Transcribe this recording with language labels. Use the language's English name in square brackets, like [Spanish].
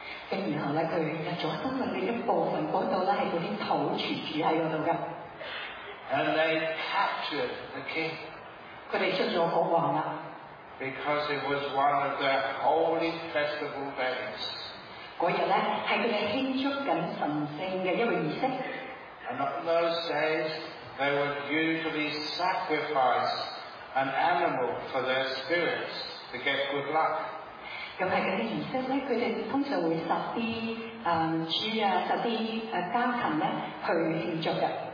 [Cantonese] 咁然後咧，佢入咗森林嘅一部分，嗰度咧係嗰啲土著住喺嗰度嘅。 [English] And they captured the king. [Cantonese] 佢哋捉咗國王啦。 [English] Because it was one of their holy festival days. [Cantonese] 嗰日咧係佢哋慶祝緊神聖嘅一個儀式。 [English] And on those days. They would usually sacrifice an animal for their spirits to get good luck. [Cantonese] 咁喺嗰啲儀式咧，佢哋通常會殺啲豬啊，殺啲家禽咧去慶祝嘅。